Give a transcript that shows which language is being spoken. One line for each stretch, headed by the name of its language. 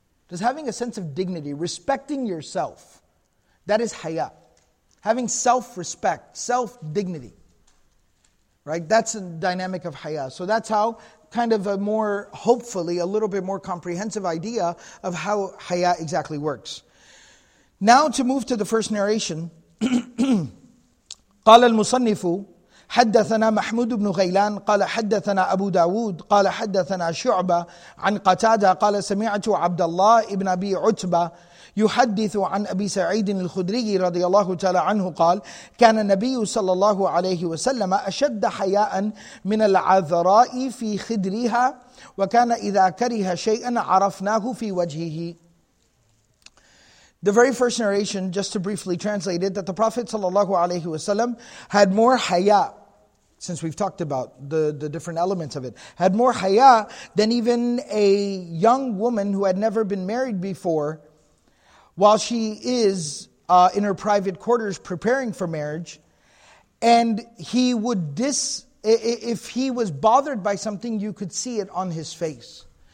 English: Just having a sense of dignity, respecting yourself, that is haya. Having self-respect, self-dignity. Right? That's a dynamic of haya. So that's how, kind of a more, hopefully, a little bit more comprehensive idea of how haya exactly works. Now to move to the first narration.
Arabic: قال المصنف حدثنا محمود بن غيلان قال حدثنا أبو داود قال حدثنا شعبة عن قتادة قال سمعت عبد الله ابن أبي عتبة يحدث عن أبي سعيد الخدري رضي الله تعالى عنه قال كان النبي صلى الله عليه وسلم أشد حياء من العذراء في خدرها وكان إذا كره شيئا عرفناه في وجهه.
English: The very first narration, just to briefly translate it, that the Prophet ﷺ had more haya, since we've talked about the different elements of it, had more haya than even a young woman who had never been married before, while she is in her private quarters preparing for marriage, and he would if he was bothered by something, you could see it on his face.